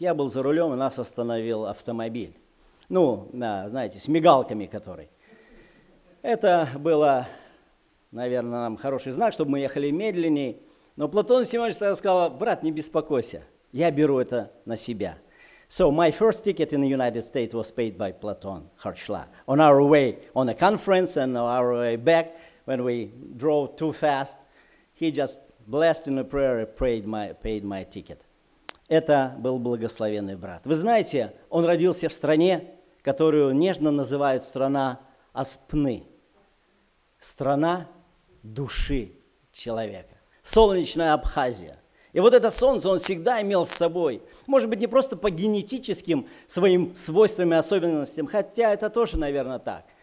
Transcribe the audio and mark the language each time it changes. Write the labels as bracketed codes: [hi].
[ru] Я был за рулем, и нас остановил автомобиль. Ну, да, знаете, с мигалками который. Это было, наверное, нам хороший знак, чтобы мы ехали медленнее. Но Платон Семенович тогда сказал, брат, не беспокойся, я беру это на себя. [en] So my first ticket in the United States was paid by Platon Harchla. On our way on a conference and on our way back, when we drove too fast, he just blessed in a prayer, paid my ticket. [ru] Это был благословенный брат. Вы знаете, он родился в стране, которую нежно называют страна Аспны. Страна души человека. Солнечная Абхазия. И вот это солнце он всегда имел с собой. Может быть, не просто по генетическим своим свойствам и особенностям, хотя это тоже, наверное, так.